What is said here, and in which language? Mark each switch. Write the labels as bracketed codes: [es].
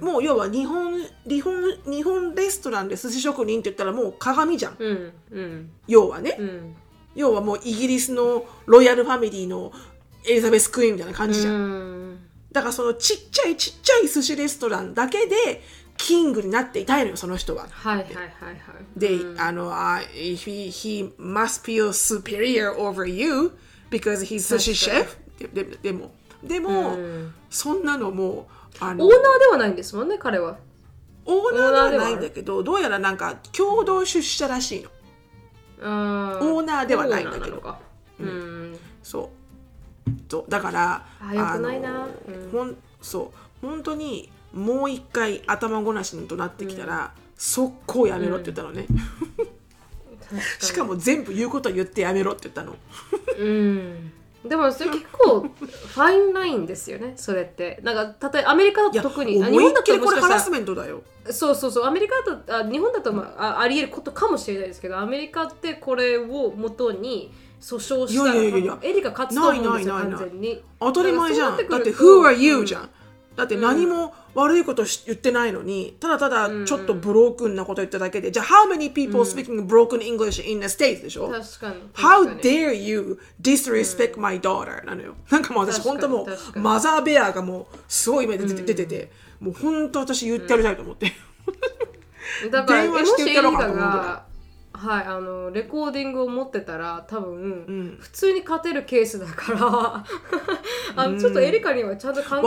[ja] もう要は日本レストランで寿司職人って言ったらもう鏡じゃん、うんうん、要はね、うん、要はもうイギリスのロイヤルファミリーのエリザベスクイーンみたいな感じじゃん、うん、だからそのちっちゃいちっちゃい寿司レストランだけでキングになっていたいのよその人は。はいはいはいはい。 [en] で、うん、あの、he must feel superior over you because he's 寿司 chef。 [ja] でも、うん、そんなのもうあのオーナーではないんですもんね彼は。オーナーではないんだけど、どうやらなんか共同出社らしいの、うん、オーナーではないんだけど、そう、だからあ、よくないな、うん、そう本当にもう一回頭ごなしに怒鳴ってきたら、うん、速攻やめろって言ったのね、うん、しかも全部言うこと言ってやめろって言ったの。うん、でもそれ結構ファインラインですよねそれって。なんか例えばアメリカだと特に、いや思いっきりこれハラスメントだよ。そうそうそう、アメリカだと、あ、日本だと、まあ、ありえることかもしれないですけど、アメリカってこれを元に訴訟したら、エリカ勝つと思うんですよ。ないないないない、当たり前じゃん。だって [en] Who are you [ja] じゃん、うん、だって何も悪いこと言ってないのに、うん、ただただちょっとブロークンなこと言っただけで、うん、じゃあ [en] How many people speaking broken English in the States [ja] でしょ。確かに。 [en] How dare you disrespect my daughter、 [ja] うん、なのよ。なんかもう私本当もうマザーベアがもうすごい目で出てて、うん、もう本当私言ってやりたいと思って、うん、だから電話して言ってやろうかと思ってた。はい、あのレコーディングを持ってたら多分、うん、普通に勝てるケースだからあの、うん、ちょっとエリカにはちゃんと考えて、